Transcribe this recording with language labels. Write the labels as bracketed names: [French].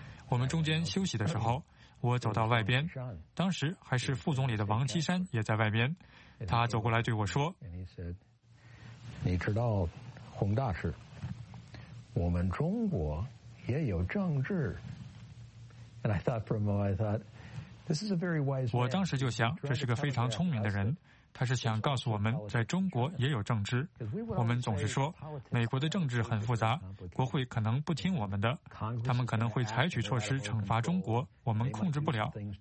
[Chinese] 我们中间休息的时候，我走到外边，当时还是副总理的王岐山也在外边，他走过来对我说：“ 你知道。” 洪大使，我们中国也有政治。 [English] And I thought for a moment, I thought, this is a very wise man. [Chinese] 我当时就想，这是个非常聪明的人，他是想告诉我们，在中国也有政治。我们总是说，美国的政治很复杂，国会可能不听我们的，他们可能会采取措施惩罚中国，我们控制不了。